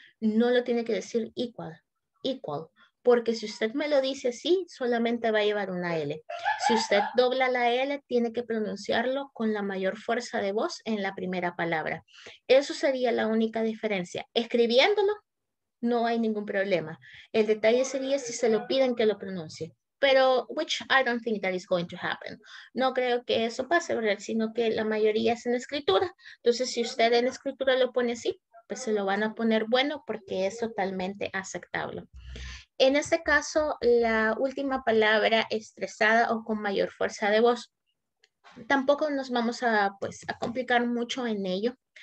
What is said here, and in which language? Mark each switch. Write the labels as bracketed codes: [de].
[es] No lo tiene que decir equal, equal. Porque si usted me lo dice así, solamente va a llevar una L. Si usted dobla la L, tiene que pronunciarlo con la mayor fuerza de voz en la primera palabra. Eso sería la única diferencia. Escribiéndolo, no hay ningún problema. El detalle sería si se lo piden que lo pronuncie. Pero, [en] which I don't think that is going to happen. [es] No creo que eso pase, ¿verdad? Sino que la mayoría es en escritura. Entonces, si usted en escritura lo pone así, pues se lo van a poner bueno porque es totalmente aceptable. En este caso, la última palabra estresada o con mayor fuerza de voz. Tampoco nos vamos a, pues, a complicar mucho en ello.